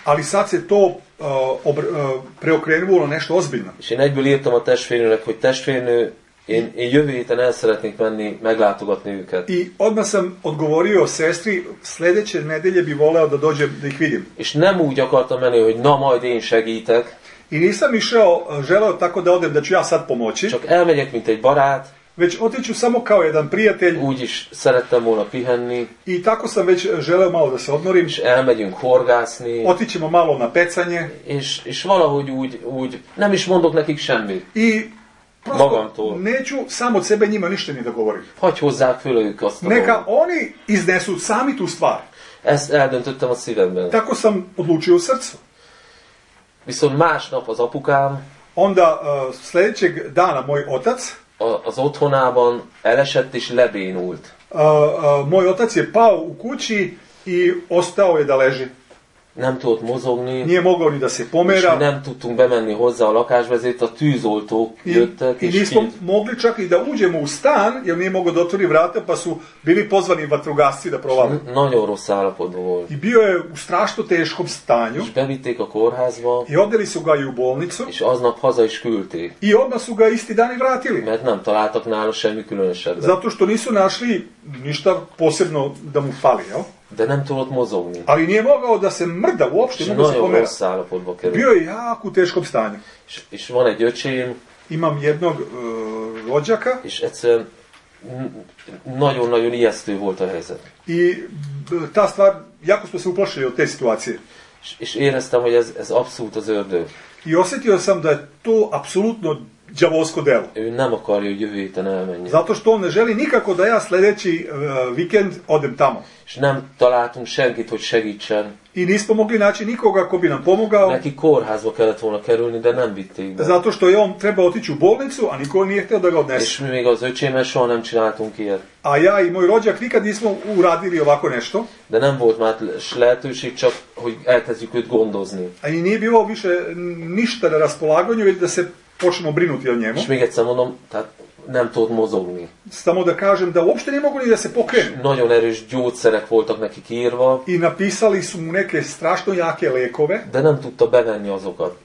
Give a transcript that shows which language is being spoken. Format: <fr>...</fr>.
<sr>Ali sad se to preokrenulo nešto ozbiljno.</sr> <hu>És én egyből írtam a testvérnőnek, hogy testvérnő, én jövő héten el szeretnék menni meglátogatni őket.</hu> <sr>I odmah sam odgovorio sestri, sljedeće nedelje bi voleo da dođem da ih vidim.</sr> <hu>És nem úgy akartam menni, hogy na majd én segítek.</hu> <sr>I nisam išao, želeo tako da odem, da ću ja sad pomoći.</sr> <hu>Csak elmegyek, mint egy barát.</hu> <sr>Već otiću samo kao jedan prijatelj.</sr> <hu>Úgy is szerettem volna pihenni.</hu> <sr>I tako sam već želeo malo da se odmorim.</sr> <hu>És elmegyünk horgászni.</hu> <sr>Otićemo malo na pecanje.</sr> <hu>És valahogy úgy nem is mondok nekik semmit.</hu> <sr>I prosto,</sr> <hu>magamtól.</hu> <sr>Neću sam od sebe njima ništa ni da govorim.</sr> <hu>Hogy hozzá föl ők azt</hu> <sr>a neka dolog. Oni iznesu sami tu stvar.</sr> <hu>Ezt eldöntöttem a szívemben.</hu> <sr>Tako sam odlučio u srcu.</sr> <hu>Viszont másnap az apukám,</hu> <sr>onda sljedećeg dana moj otac,</sr> <hu>az otthonában elesett és lebénult.</hu> <sr>Moj otac je pao u kući i ostao je da leži.</sr> <hu>Nem tudott mozogni.</hu> <sr>Nije mogao ni da se pomera.</sr> <hu>És nem tudtunk bemenni hozzá a lakásvezét, a tűzoltók jöttek.</hu> <sr>I nismo mogli čak i da uđemo u stan, jer nije mogao da otvori vrata, pa su bili pozvani vatrogasci da provale.</sr> <hu>Nagyon rossz állapotban volt.</hu> <sr>I bio je u strašno teškom stanju.</sr> <hu>És bevitték a kórházba.</hu> <sr>I odveli su ga i u bolnicu.</sr> <hu>És aznap haza is küldték.</hu> <sr>I odmah su ga isti dan i vratili.</sr> <hu>Mert nem találtak nála semmi különösebbet.</hu> <sr>Zato što nisu našli ništa posebno da mu fali, jel?</sr> <hu>De nem tudott mozogni.</hu> <sr>Ali nije mogao da se mrda uopšte, nego se pomera.</sr> <hu>Rossz állapotba kerül.</hu> <sr>Bio je jako u teškom stanju.</sr> <hu>És van egy öcsém.</hu> <sr>Imam jednog rođaka.</sr> <hu>És egyszerűen nagyon-nagyon ijesztő volt a helyzet.</hu> <sr>I ta stvar, jako smo se uplašili od te situacije.</sr> <hu>És éreztem, hogy ez abszolút az ördög.</hu> <sr>I osjetio sam da je to apsolutno džavolsko delo.</sr> <hu>Ő nem akarja, hogy jövő héten elmenjen.</hu> <sr>Zato što on ne želi nikako da ja sljedeći vikend odem tamo.</sr> <hu>És nem találtunk senkit, hogy segítsen.</hu> <sr>I nismo mogli naći nikoga ko bi nam pomogao.</sr> <hu>Neki kórházba kellett volna kerülni, de nem vitték be.</hu> <sr>Zato što je on treba otići u bolnicu, a niko nije htio da ga odnese.</sr> <hu>És mi még az öcsémmel soha nem csináltunk ilyet.</hu> <sr>A ja i moj rođak nikad nismo uradili ovako nešto.</sr> <hu>De nem volt már lehetőség, csak hogy elkezdjük őt gondozni.</hu> <sr>A i nije bilo više ništa na raspolaganju, već da se počnemo brinuti o njemu.</sr> <hu>És még egyszer mondom, tehát nem tudott mozogni.</hu> <sr>Samo da kažem da uopšte nije mogu ni da se pokrene.</sr> <hu>Nagyon erős gyógyszerek voltak neki írva.</hu> <sr>I napisali su mu neke strašno jake lekove.</sr> <hu>De nem tudta bevenni azokat.</hu>